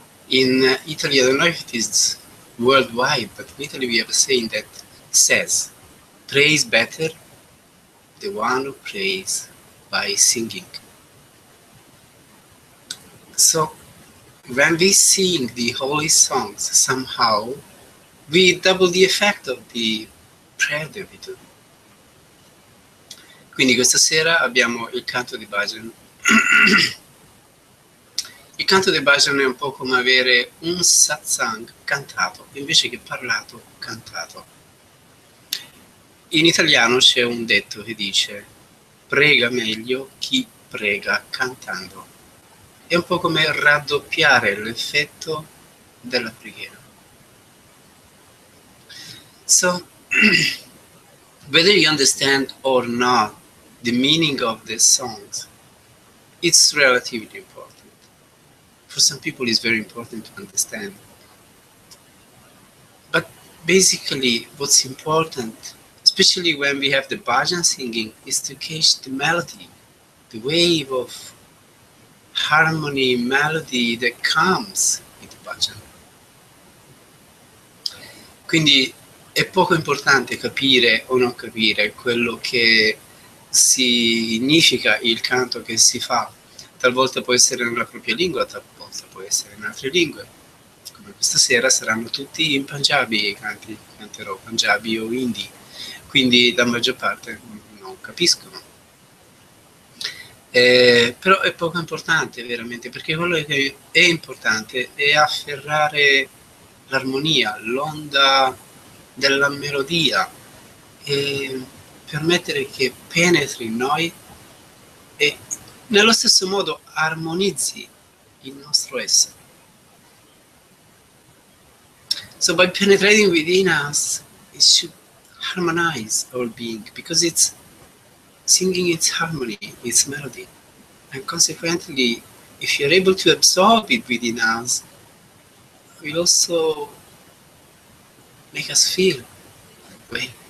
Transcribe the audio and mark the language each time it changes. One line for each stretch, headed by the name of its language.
English: In Italy, I don't know if it is worldwide, but in Italy we have a saying that says, praise better the one who prays by singing. So when we sing the holy songs somehow, we double the effect of the prayer that we do.
Italian: Quindi questa sera abbiamo il canto di Bhajan. Il canto di Bhajan è un po' come avere un satsang cantato, invece che parlato, cantato. In italiano c'è un detto che dice prega meglio chi prega cantando. È un po' come raddoppiare l'effetto della preghiera.
English: So, whether you understand or not, the meaning of the songs, it's relatively important. For some people it's very important to understand. But basically what's important, especially when we have the bhajan singing, is to catch the melody, the wave of harmony, melody that comes with the bhajan.
Italian: Quindi è poco importante capire o non capire quello che significa il canto che si fa, talvolta può essere nella propria lingua, talvolta può essere in altre lingue, come questa sera saranno tutti in Punjabi, canterò Punjabi o Hindi, quindi la maggior parte non capiscono. Però è poco importante veramente, perché quello che è importante è afferrare l'armonia, l'onda della melodia e permettere che penetri in noi e nello stesso modo armonizzi il nostro essere.
English: So by penetrating within us, it should harmonize our being, because it's singing its harmony, its melody. And consequently, if you're able to absorb it within us, it will also make us feel that way.